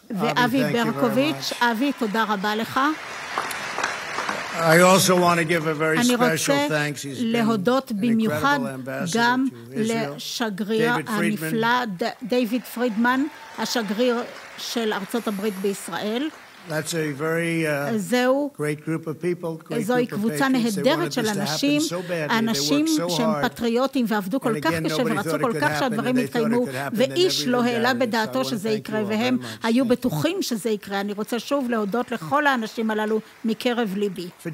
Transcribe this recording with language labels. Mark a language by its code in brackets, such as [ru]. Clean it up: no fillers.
[he] ואבי ברקוביץ', אבי, תודה רבה לך. [en] I also want to give a very special thanks. [he] אני רוצה להודות במיוחד גם לשגריר הנפלא, דייוויד פרידמן, השגריר של ארצות הברית בישראל. [en] That's a very great group of people, great group of patriots. [he] זו קבוצה נהדרת של אנשים, אנשים שהם פטריוטים ועבדו כל כך קשה ורצו כל כך שהדברים יתקיימו, ואיש לא העלה בדעתו שזה יקרה, והם היו בטוחים שזה יקרה. אני רוצה שוב להודות לכל האנשים הללו מקרב ליבי.